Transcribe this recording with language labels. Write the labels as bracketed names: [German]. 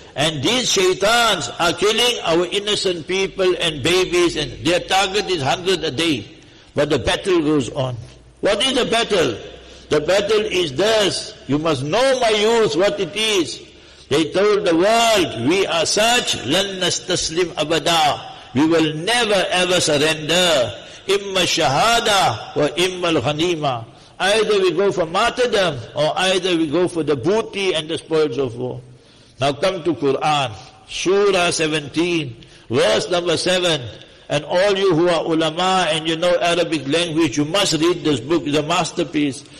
[English] And these shaitans are killing our innocent people and babies, and their target is 100 a day. But the battle goes on. What is the battle? The battle is this. You must know, my youth, what it is. They told the world, we are such, [Arabic] لن نستسلم أبدا. [English] We will never ever surrender. [Arabic] إما الشهادة وإما الغنيمة. [English] Either we go for martyrdom, or either we go for the booty and the spoils of war. Now come to Quran, Surah 17, verse number 7. And all you who are ulama and you know Arabic language, you must read this book, it's a masterpiece.